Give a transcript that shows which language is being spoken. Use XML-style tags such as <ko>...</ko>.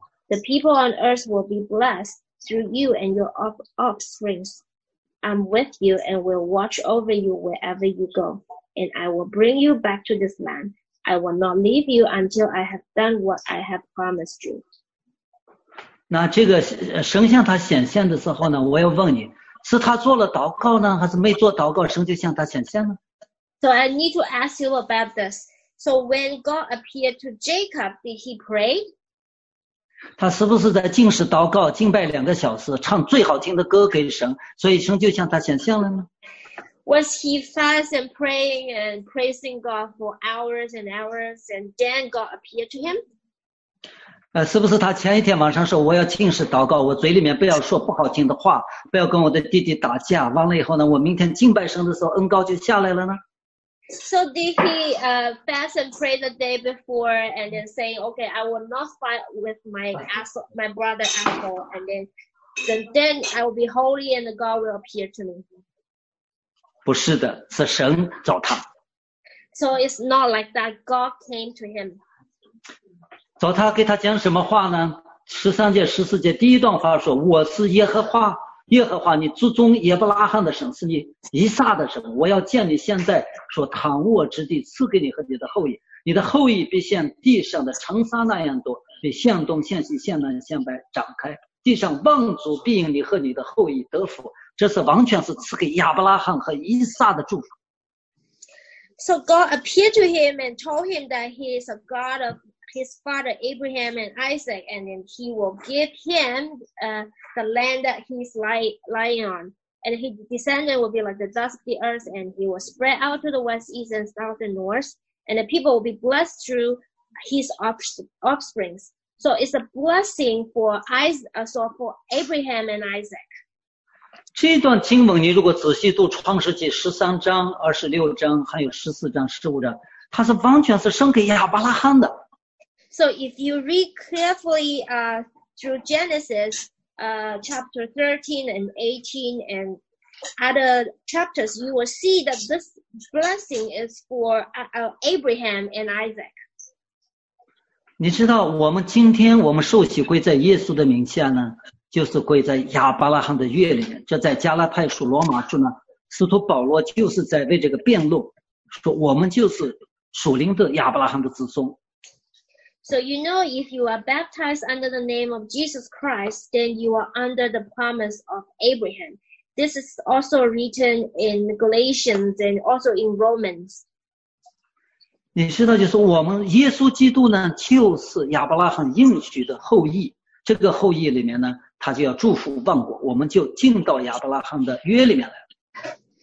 <en>The people on earth will be blessed through you and your offsprings. I'm with you and will watch over you wherever you go. And I will bring you back to this land. I will not leave you until I have done what I have promised you.</en> <zh>那这个神向他显现的时候呢，我要问你，是他做了祷告呢，还是没做祷告，神就向他显现呢？</zh> <en>So I need to ask you about this. So when God appeared to Jacob, did he pray?</en> <zh>他是不是在禁食祷告敬拜两个小时，唱最好听的歌给神，所以神就向他显现了呢？</zh> <en>Was he fast and praying and praising God for hours and hours, and then God appeared to him?</en> <zh>是不是他前一天晚上说，我要禁食祷告，我嘴里面不要说不好听的话，不要跟我的弟弟打架，完了以后呢，我明天敬拜神的时候恩膏就下来了呢？</zh> <en>So did he fast and pray the day before and then say, okay, I will not fight with my brother Esau, and then I will be holy and God will appear to me?</en> <zh>不是的，是神找他。</zh> <en>So it's not like that. God came to him.</en> <zh>找他给他讲什么话呢？十三节十四节第一段话说，我是耶和华，耶和华你祖宗亚伯拉罕的神，是你以撒的神，我要见你现在所躺卧之地，赐给你和你的后裔，你的后裔必像地上的尘沙那样多，必向东向西向南向北展开，地上万族必因你和你的后裔得福，这是完全是赐给亚伯拉罕和以撒的祝福。</zh> <en>So God appeared to him and told him that he is a God of his father Abraham and Isaac, and then he will give him the land that he's lying on, and his descendant will be like the dust of the earth, and he will spread out to the west, east, and south and north, and the people will be blessed through his offsprings. So it's a blessing for Abraham and Isaac.</en> <zh>这段经文你如果仔细读创世纪十三章二十六章还有十四章十五章，它是完全是生给亚伯拉罕的。</zh> <en>So if you read carefully through Genesis chapter 13 and 18 and other chapters, you will see that this blessing is for Abraham and Isaac.</en> <zh>你知道我们今天我们受洗归在耶稣的名下呢，就是归在亚伯拉罕的约里面。这在加拉太书罗马书呢，使徒保罗就是在为这个辩论，说我们就是属灵的亚伯拉罕的子孙。</zh> <en>So you know, if you are baptized under the name of Jesus Christ, then you are under the promise of Abraham. This is also written in Galatians and also in Romans.</en> <zh>你知道，就是我们耶稣基督呢，就是亚伯拉罕应许的后裔。这个后裔里面呢，他就要祝福万国，我们就进到亚伯拉罕的约里面来了。</zh>